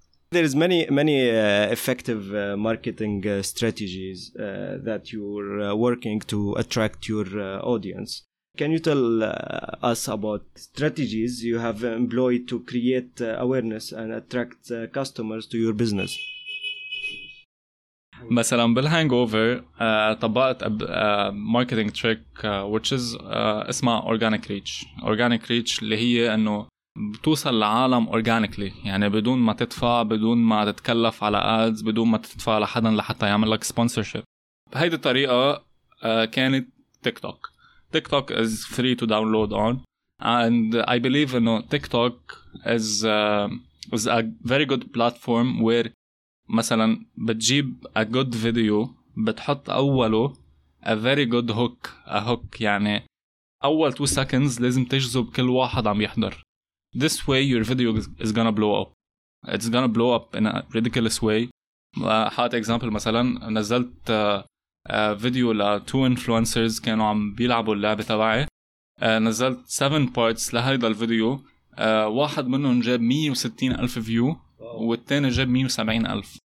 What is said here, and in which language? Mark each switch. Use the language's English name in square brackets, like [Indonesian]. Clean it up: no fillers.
[English] There is many effective marketing strategies that you're working to attract your audience. Can you tell us about strategies you have employed to create awareness and attract customers to your business? [Arabic] مثلا بالهانجوفر طبقت ماركتينج تريك [English] which is [Arabic] اسمها organic reach. organic reach اللي هي انه بتوصل لعالم organically, يعني بدون ما تدفع, بدون ما تتكلف على ads, بدون ما تدفع لحدا لحتى يعمل لك sponsorship. بهيدي الطريقة كانت تيك توك. [English] TikTok is free to download on, and I believe انه TikTok is a very good platform where [Arabic] مثلا بتجيب [English] a good video, [Arabic] بتحط أوله [English] a very good hook. [Arabic] a hook يعني أول 2 seconds لازم تجذب كل واحد عم يحضر. [English] This way your video is gonna blow up. It's gonna blow up in a ridiculous way. [Arabic] حاط example مثلا, نزلت فيديو ل 2 influencers كانوا عم بيلعبوا اللعبة تبعي. نزلت 7 parts لهذا الفيديو, واحد منهم جاب 160 ألف فيو والتاني جاب 170 ألف.